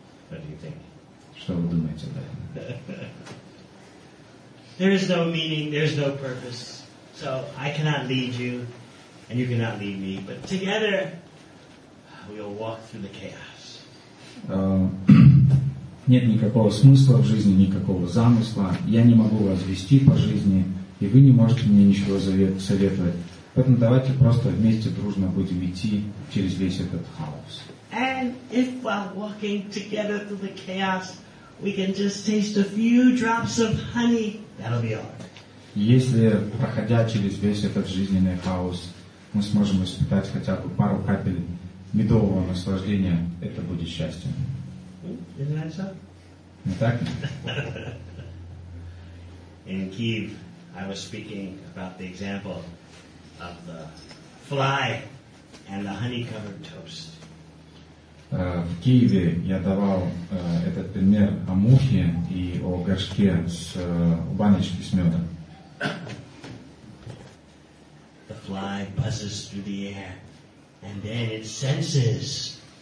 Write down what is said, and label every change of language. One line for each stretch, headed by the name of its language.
English: What do you think?
Russian: Что вы думаете об этом?
English: There is no meaning, there is no purpose. So I cannot lead you, and you cannot lead me, but together we'll walk through the chaos.
Russian: Нет никакого смысла в жизни, никакого замысла. Я не могу вас вести по жизни, и вы не можете мне ничего советовать. Поэтому давайте просто вместе, дружно будем идти через весь этот хаос.
English: And if while walking together through the chaos, we can just taste a few drops of honey, that'll be all.
Russian: Если, проходя через весь этот жизненный хаос, мы сможем испытать хотя бы пару капель медового наслаждения, это будет счастье.
English: Isn't that so? In Kyiv, I was speaking about the example of the fly and the honey-covered toast.
Russian: В Киеве я давал этот пример о мухе и о горшке с баночке с медом.
English: The fly buzzes through the air, and then it senses.